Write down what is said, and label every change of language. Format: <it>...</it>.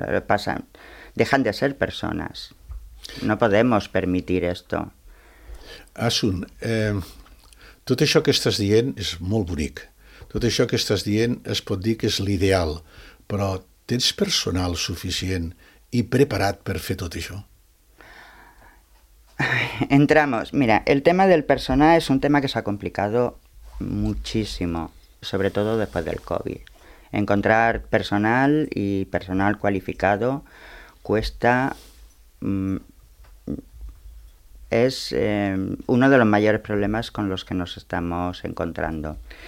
<es>Pasan, dejan de ser personas. No podemos permitir esto.</es> <ca>Asun, tot això que estàs dient és molt bonic. Tot això que estàs dient es pot dir que és l'ideal, però tens personal suficient i preparat per fer tot això?</ca> <es>Entramos. Mira, el tema del personal es un tema que se ha complicado muchísimo, sobre todo después del COVID. Encontrar personal y personal cualificado cuesta, es uno de los mayores problemas con los que nos estamos encontrando.</es>